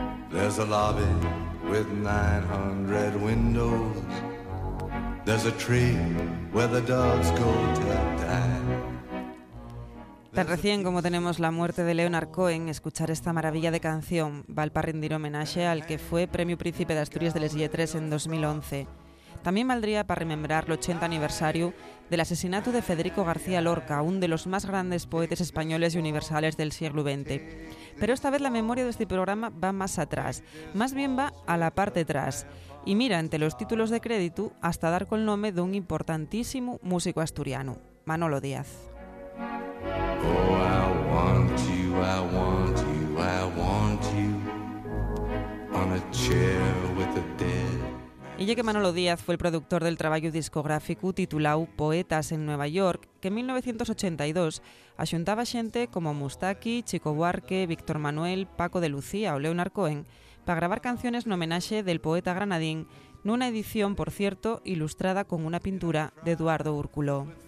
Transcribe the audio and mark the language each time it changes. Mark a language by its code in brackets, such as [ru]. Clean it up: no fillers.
[en] There's a lobby with 900 windows. There's a tree where the dogs go to die. [es] Tan recién como tenemos la muerte de Leonard Cohen, escuchar esta maravilla de canción va al para rendir homenaje al que fue Premio Príncipe de Asturias de Les Lletres en 2011. También valdría para rememorar el 80 aniversario del asesinato de Federico García Lorca, uno de los más grandes poetas españoles y universales del siglo XX. Pero esta vez la memoria de este programa va más atrás, más bien va a la parte atrás, y mira entre los títulos de crédito hasta dar con el nombre de un importantísimo músico asturiano, Manolo Díaz. [en] Oh, I want you, I want you, I want you, on a chair with the dead. [es] Y ya que Manolo Díaz fue el productor del trabajo discográfico titulado Poetas en Nueva York, que en 1982 [ast] axuntaba xente [es] como Mustaki, Chico Buarque, Víctor Manuel, Paco de Lucía o Leonard Cohen para grabar canciones en homenaje del poeta granadín, [gl] nunha [es] edición, por cierto, ilustrada con una pintura de Eduardo Úrculo.